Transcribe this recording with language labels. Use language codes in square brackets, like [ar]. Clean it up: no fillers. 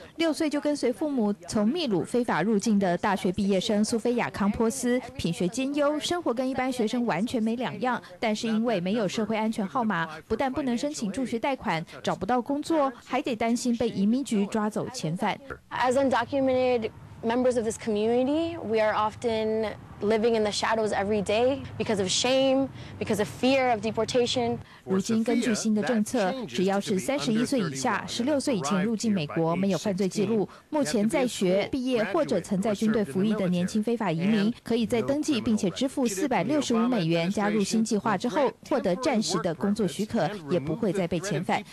[zh] 6岁就跟随父母从秘鲁非法入境的大学毕业生苏菲亚·康波斯，品学兼优，生活跟一般学生完全没两样，但是因为没有社会安全号码，不但不能申请助学贷款，找不到工作，还得担心被移民局抓走遣返。 [en] As undocumented members of this community, we are often living in the shadows every day because of shame, because of fear of deportation. [zh] 如今根据新的政策，只要是31岁以下、16岁以前入境美国，没有犯罪记录，目前在学、毕业或者曾在军队服役的年轻非法移民，可以在登记并且支付465美元加入新计划之后，获得暂时的工作许可，也不会再被遣返。